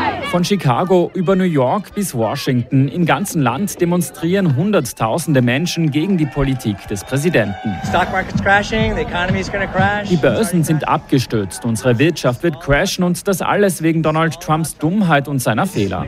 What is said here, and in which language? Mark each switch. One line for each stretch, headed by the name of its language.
German: Von Chicago über New York bis Washington, im ganzen Land demonstrieren Hunderttausende Menschen gegen die Politik des Präsidenten.
English: Stock market's crashing, the economy is gonna crash.
German: Die Börsen sind abgestürzt, unsere Wirtschaft wird crashen und das alles wegen Donald Trumps Dummheit und seiner Fehler.